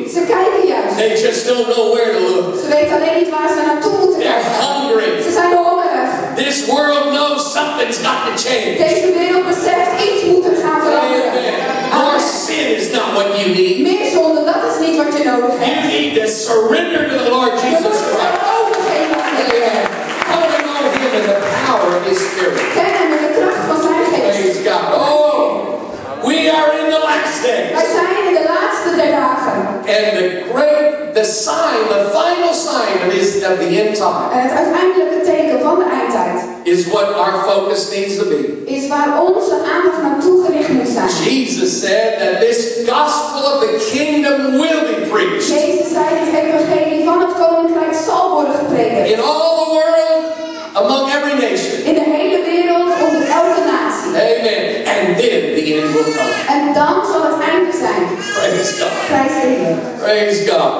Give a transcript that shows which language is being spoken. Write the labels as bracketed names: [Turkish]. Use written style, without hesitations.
[Dutch] Ze kijken juist. [English] They just don't know where to look. [Dutch] Ze weten alleen niet waar ze naartoe moeten gaan. [English] They're hungry. [Dutch] Ze zijn hongerig. [English] This world knows something's got to change. [Dutch] Deze wereld beseft iets moet er gaan veranderen. [English] Amen. Your sin is not what you need. [Dutch] Meer zonde, dat is niet wat je nodig hebt. [English] You need to surrender to the Lord Jesus Christ. [Dutch] Je moet het zijn overgeven aan de Heer. [English] Come to know Him in the power of His Spirit. [Dutch] Kennen met de kracht van zijn. [English] Praise God. Oh, we are in the last days. [Dutch] Wij zijn in de laatste der dagen. [English] And the great, the sign, the final sign of the end time. [Dutch] En het uiteindelijke teken van de eindtijd. [English] Is what our focus needs to be. [Dutch] Is waar onze aandacht naartoe gericht moet zijn. [English] Jesus said that this gospel of the kingdom will be preached. [Dutch] Jezus zei dat het evangelie van het koninkrijk zal worden gepredikt. [English] In all the world, among every nation. [Dutch] In de hele wereld, onder elke nation. [English] Amen. And then the end will come. God. [Dutch] En dan zal het einde zijn. [English] Praise God. Praise God. Praise God.